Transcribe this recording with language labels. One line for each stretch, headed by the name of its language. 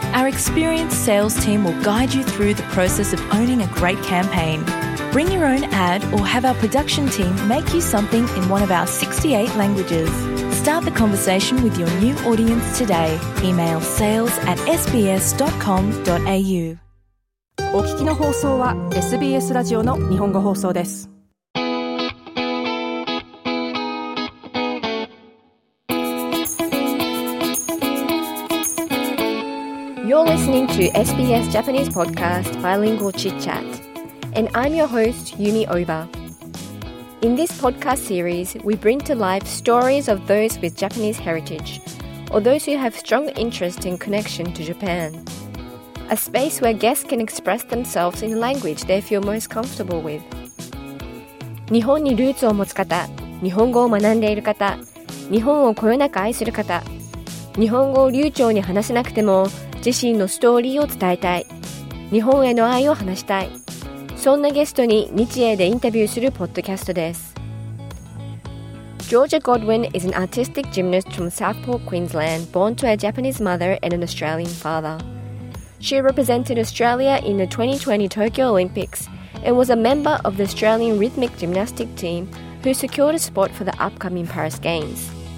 English: Our experienced sales team will guide you through the process of owning a great campaign. Bring your own ad or have our production team make you something in one of our 68 languages. Start the conversation with your new audience today. Email sales@sbs.com.au.
Japanese: お聞きの放送は SBS ラジオの日本語放送です。
English: You're listening to SBS Japanese podcast Bilingual Chit Chat, and I'm your host, Yumi Oba. In this podcast series, we bring to life stories of those with Japanese heritage, or those who have strong interest and connection to Japan. A space where guests can express themselves in the language they feel most comfortable with.
Japanese: 日本にルーツを持つ方、日本語を学んでいる方、日本をこよなく愛する方、日本語を流暢に話せなくても自身のストーリーを伝えたい、日本への愛を話したい、そんなゲストに日英でインタビューするポッドキャストです。
English: Georgia Godwin is an artistic gymnast from Southport, Queensland, born to a Japanese mother and an Australian father. She represented Australia in the 2020 Tokyo Olympics and was a member of the Australian rhythmic gymnastic team who secured a spot for the upcoming Paris Games.